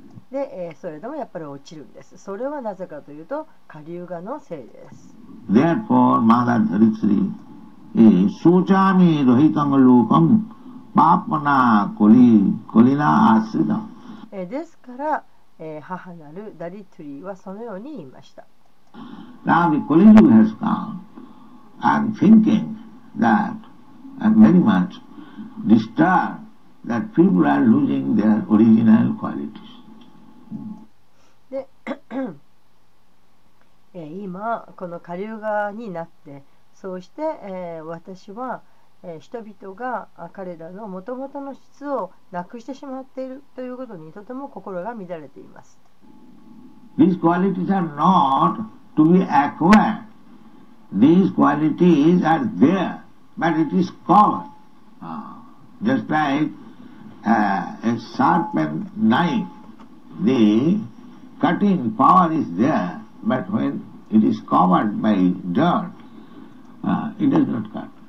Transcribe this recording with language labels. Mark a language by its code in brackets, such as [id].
[ja] で、それでもやっぱり落ちるんです。それはなぜかというとカリウガのせいです。 [sa] Therefore, Mother Dharitri,シューチャーミー・ロヒタム・ルーカム・パーパナ・コリナ・アスリダ。 [ja] ですから、母なるダリトゥリーはそのように言いました。 [en] Now the Kali Yuga has come, I'm thinking that I'm very much disturbed that people are losing their original qualities. [ja] で、今、このカリウガになって、そうして、私は、人々が彼らのもともとの質をなくしてしまっているということにとても心が乱れています。 [en] These qualities are not to be acquired. These qualities are there, but it is covered. Just like a sharpened knife, the cutting power is there, but when it is covered by dirt, it does not cut.